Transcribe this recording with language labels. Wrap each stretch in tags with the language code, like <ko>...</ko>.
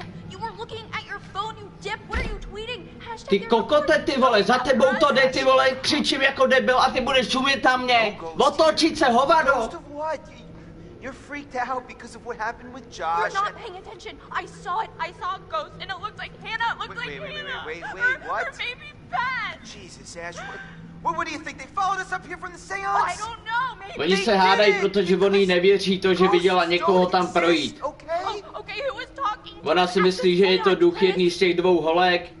<en>You were looking at your phone, you dip, what are you tweeting?</en> <cs>Hashtag ty kokote, ty vole, za tebou to jde, ty vole, křičím jako debil a ty budeš šumět na mě. Otočit se, hovado!</cs> <en>You're freaked out because of what happened with Josh. You're not paying attention. I saw it. I saw a ghost, and it looked like Hannah. It looked Wait, what? Her baby Beth. Jesus, Ash. What do you think? They followed us up here from the seance. I don't know. Maybe.</en> <cs>Oni se hádají, protože oni nevěří to, že viděla někoho tam projít.</cs> <en>Okay, who was talking?</en> <cs>Ona si myslí, že je to duch jedný z těch dvou holek.</cs>